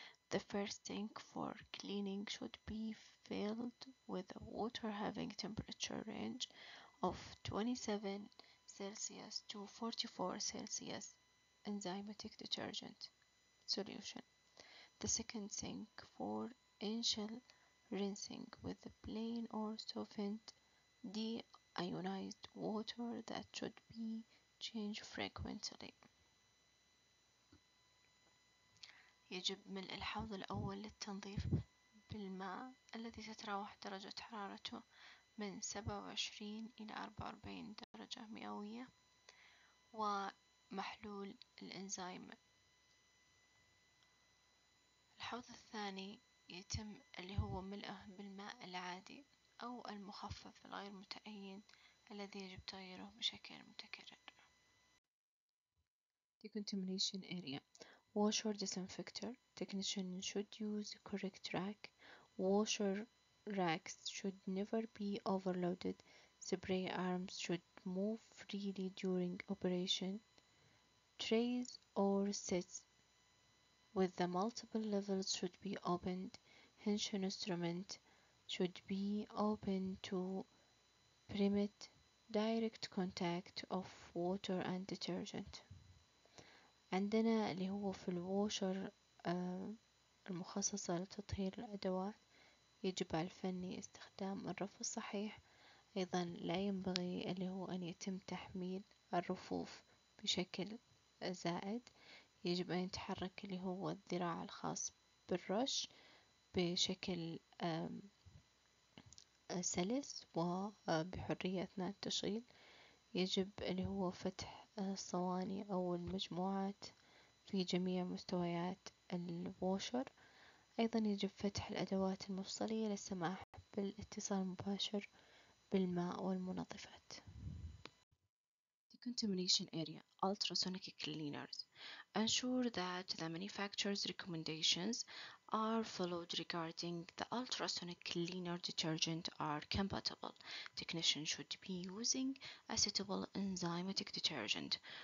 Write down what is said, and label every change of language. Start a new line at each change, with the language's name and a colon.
English: The first tank for cleaning should be filled with water having temperature range of 27 Celsius to 44 Celsius enzymatic detergent solution. The second tank for initial rinsing with plain or softened deionized water that should be changed frequently.
Arabic: يجب ملء الحوض الأول للتنظيف بالماء الذي تتراوح درجة حرارته من 27 إلى 44 درجة مئوية ومحلول الإنزيم. الحوض الثاني يتم اللي هو ملئه بالماء العادي أو المخفف الغير متأين الذي يجب تغييره بشكل متكرر.
English: Decontamination area. Washer disinfector. Technician should use the correct rack. Washer racks should never be overloaded. Spray arms should move freely during operation. Trays or sets with the multiple levels should be opened. Tension instrument should be open to permit direct contact of water and detergent.
Arabic: عندنا اللي هو في الواشر المخصصة لتطهير الأدوات يجب على الفني استخدام الرف الصحيح. أيضا لا ينبغي اللي هو أن يتم تحميل الرفوف بشكل زائد. يجب أن يتحرك اللي هو الذراع الخاص بالرش بشكل سلس وبحرية أثناء التشغيل. يجب اللي هو فتح الصواني أو المجموعات في جميع مستويات الواشر. أيضا يجب فتح الأدوات المفصلية للسماح بالاتصال المباشر بالماء والمنظفات.
English: Decontamination area. Ultrasonic cleaners. Ensure that the manufacturer's recommendations are followed regarding the ultrasonic cleaner detergent are compatible. Technicians should be using a suitable enzymatic detergent.